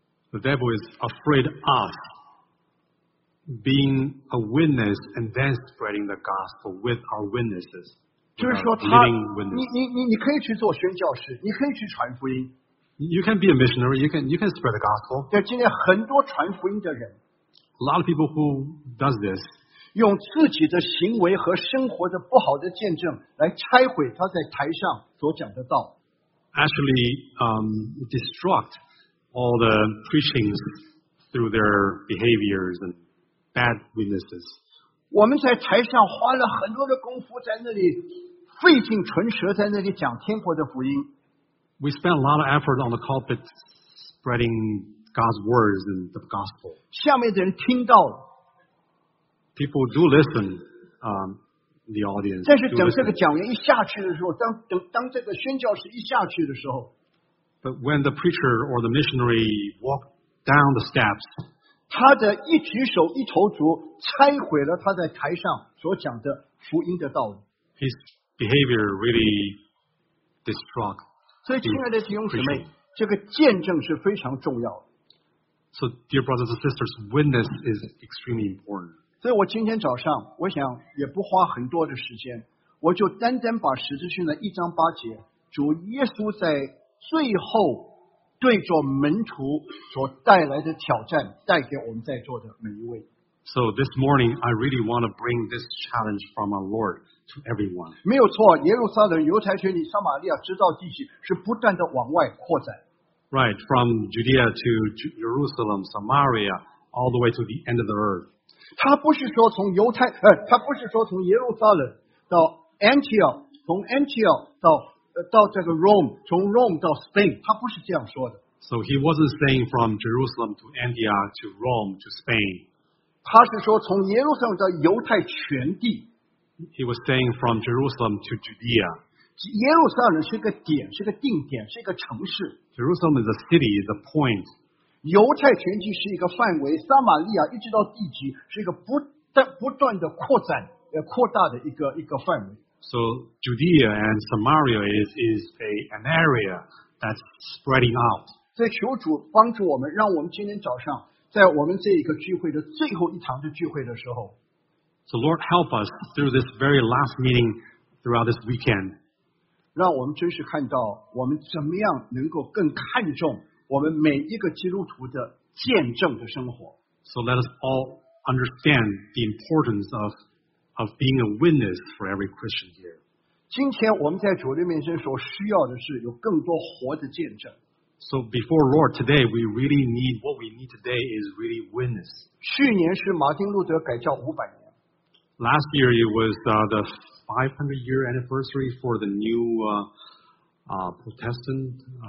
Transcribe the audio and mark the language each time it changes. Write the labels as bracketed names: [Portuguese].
[English] The devil is afraid of us being a witness and then spreading the gospel with our witnesses. [Chinese] 就是说他，你可以去做宣教士，你可以去传福音。 [English] You can be a missionary, you can spread the gospel. [Chinese] 对，今天很多传福音的人。 [English] A lot of people who does this. [Chinese] 用自己的行为和生活的不好的见证来拆毁他在台上所讲的道。 [English] Actually, destruct all the preachings through their behaviors and bad witnesses. [Chinese] 我们在台上花了很多的功夫在那里费尽唇舌在那里讲天国的福音。 [English] We spent a lot of effort on the pulpit spreading God's words and the gospel. [Chinese] 下面的人听到了。 [English] People do listen, the audience. [Chinese] 但是等这个讲员一下去的时候，当这个宣教士一下去的时候。 [English] But when the preacher or the missionary walked down the steps, [Chinese] 他的一举手一投足拆毁了他在台上所讲的福音的道理。 [English] His behavior really destroyed. [Chinese] 所以，亲爱的弟兄姊妹，这个见证是非常重要的。 [English] So, dear brothers and sisters, witness is extremely important. [Chinese] 所以我今天早上，我想也不花很多的时间，我就单单把十字训的一章八节，主耶稣在最后对着门徒所带来的挑战，带给我们在座的每一位。 [English] So this morning, I really want to bring this challenge from our Lord. Everyone. [Chinese] 没有错，耶路撒冷、犹太全地、撒玛利亚，直到地极，是不断的往外扩展。 [English] Right, from Judea to Jerusalem, Samaria, all the way to the end of the earth. [Chinese] 他不是说从犹太，他不是说从耶路撒冷到 Antioch， 从 Antioch 到这个 Rome， 从 Rome 到 Spain， 他不是这样说的。 [English] So he wasn't saying from Jerusalem to Antioch to Rome to Spain. [Chinese] 他是说从耶路撒冷到犹太全地。 [English] He was staying from Jerusalem to Judea. [Chinese] 耶路撒冷是个点，是个定点，是个城市。 [English] Jerusalem is a city, is a point. [Chinese] 犹太全地是一个范围，撒玛利亚一直到地极是一个不断的扩展、扩大的一个范围。 [English] So Judea and Samaria is an area that's spreading out. [Chinese] 所以求主帮助我们，让我们今天早上在我们这一个聚会的最后一堂的聚会的时候。 [English] So Lord, help us through this very last meeting throughout this weekend. [Chinese] 让我们真实看到我们怎么样能够更看重我们每一个基督徒的见证的生活。 [English] So let us all understand the importance of being a witness for every Christian here. [Chinese] 今天我们在主的面前所需要的是有更多活的见证。 [English] So before Lord, today we really need, what we need today is really witness. [Chinese] 去年是马丁路德改教500年。 [English] Last year it was the 500 year anniversary for the new Protestant